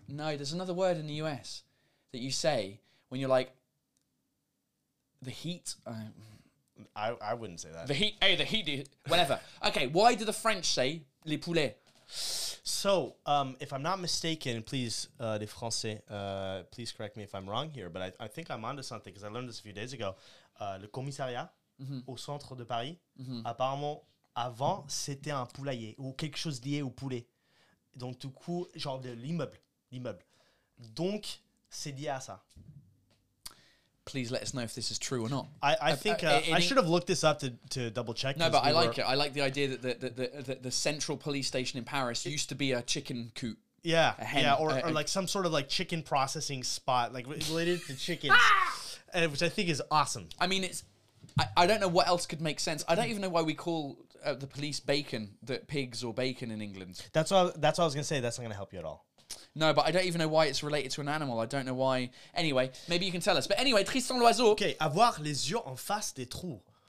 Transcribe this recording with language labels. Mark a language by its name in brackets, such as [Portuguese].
[English] No, there's another word in the US that you say when you're like, the heat, I wouldn't say that. Whatever. Okay, why do the French say [French] les poulets? [English] So, if I'm not mistaken, please, [French] les Français, [English] please correct me if I'm wrong here, but I think I'm onto something because I learned this a few days ago. [French] Le commissariat au centre de Paris, apparemment, avant, c'était un poulailler ou quelque chose lié au poulet. Donc, du coup, genre de l'immeuble. Donc, c'est lié à ça. [English] Please let us know if this is true or not. I think I should have looked this up to double check. No, but I like it. I like the idea that the central police station in Paris used to be a chicken coop. Yeah, or like some sort of like chicken processing spot, like related to chickens, which I think is awesome. I mean, I don't know what else could make sense. I don't even know why we call the police bacon, the pigs or bacon in England. That's what I was going to say. That's not going to help you at all. No, but I don't even know why it's related to an animal. I don't know why. Anyway, maybe you can tell us. But anyway, Tristan Loiseau. [French] Okay, avoir les yeux en face des trous.